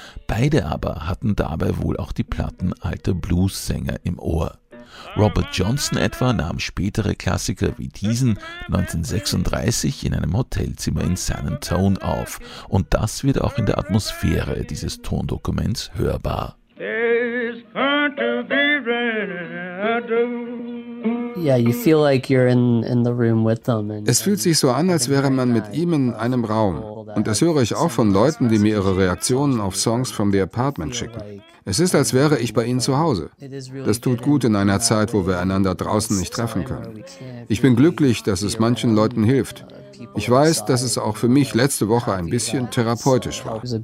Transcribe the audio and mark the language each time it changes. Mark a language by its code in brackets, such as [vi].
[de] Beide aber hatten dabei wohl auch die Platten alter Blues-Sänger im Ohr. Robert Johnson etwa nahm spätere Klassiker wie diesen 1936 in einem Hotelzimmer in San Antonio auf. Und das wird auch in der Atmosphäre dieses Tondokuments hörbar. [en] Yeah, you feel like you're in the room with them. [de] Es fühlt sich so an, als wäre man mit ihm in einem Raum. Und das höre ich auch von Leuten, die mir ihre Reaktionen auf Songs from the Apartment schicken. Es ist, als wäre ich bei ihnen zu Hause. Das tut gut in einer Zeit, wo wir einander draußen nicht treffen können. Ich bin glücklich, dass es manchen Leuten hilft. Ich weiß, dass es auch für mich letzte Woche ein bisschen therapeutisch war.